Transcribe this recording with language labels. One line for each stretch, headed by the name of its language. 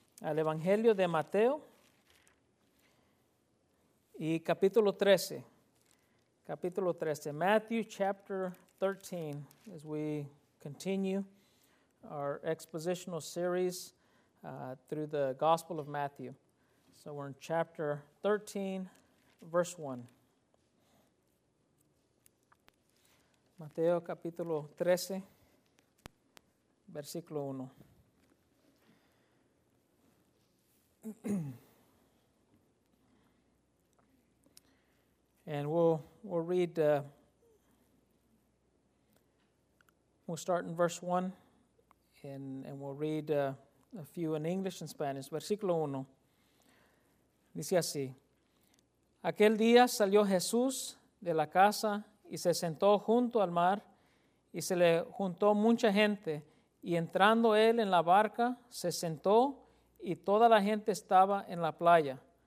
Spanish: al Evangelio de Mateo y capítulo 13. Capítulo 13,
English: Matthew chapter 13, as we continue our expositional series through the Gospel of Matthew. So we're in chapter 13, verse 1.
Spanish: Mateo capítulo 13, versículo 1.
English: And we'll read, we'll start in verse 1, and we'll read a few in English and Spanish.
Spanish: Versículo 1, dice así. Aquel día salió Jesús de la casa y se sentó junto al mar, y se le juntó mucha gente, y entrando él en la barca, se sentó, y toda la gente estaba en la playa.